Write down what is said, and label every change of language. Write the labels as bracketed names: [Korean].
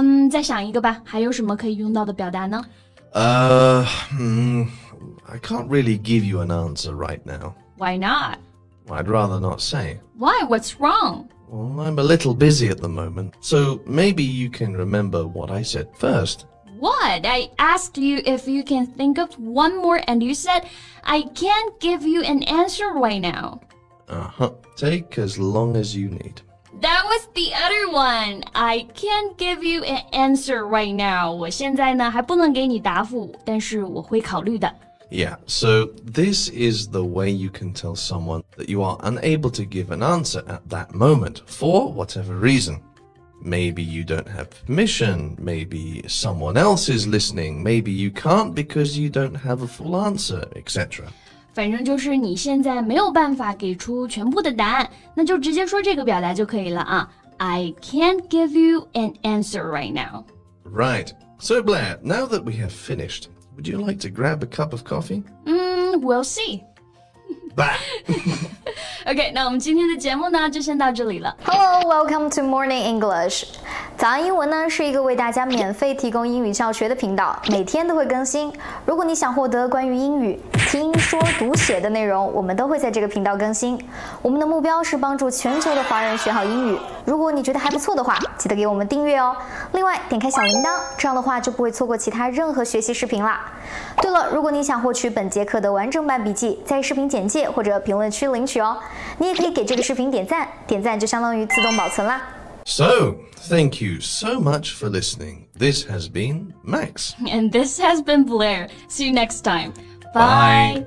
[Chinese] 再想一个吧，还有什么可以用到的表达呢？ [English] I can't really give you an answer right now. Why not? I'd rather not say. Why? What's wrong? Well, I'm a little busy at the moment, so maybe you can remember what I said first. What? I asked you if you can think of one more and you said, I can't give you an answer right now. Uh-huh. Take as long as you need. That was the other one. I can't give you an answer right now. [Chinese] 我现在呢还不能给你答复但是我会考虑的。 [English] Yeah, so this is the way you can tell someone that you are unable to give an answer at that moment for whatever reason. Maybe you don't have permission, maybe someone else is listening, maybe you can't because you don't have a full answer, etc. [Chinese] 反正就是你现在没有办法给出全部的答案，那就直接说这个表达就可以了啊。 [English] I can't give you an answer right now. Right. So Blair, now that we have finished, would you like to grab a cup of coffee? We'll see. Bah! [Chinese] OK, 那我们今天的节目呢就先到这里了。 [English] Hello, welcome to Morning English. [Chinese] 早安英文呢是一个为大家免费提供英语教学的频道，每天都会更新。如果你想获得关于英语听说读写的内容，我们都会在这个频道更新。我们的目标是帮助全球的华人学好英语。如果你觉得还不错的话，记得给我们订阅哦。另外，点开小铃铛，这样的话就不会错过其他任何学习视频啦。对了，如果你想获取本节课的完整版笔记，在视频简介或者评论区领取哦。你也可以给这个视频点赞，点赞就相当于自动保存啦。 [English] So, thank you so much for listening. This has been Max. And this has been Blair. See you next time. Bye. Bye.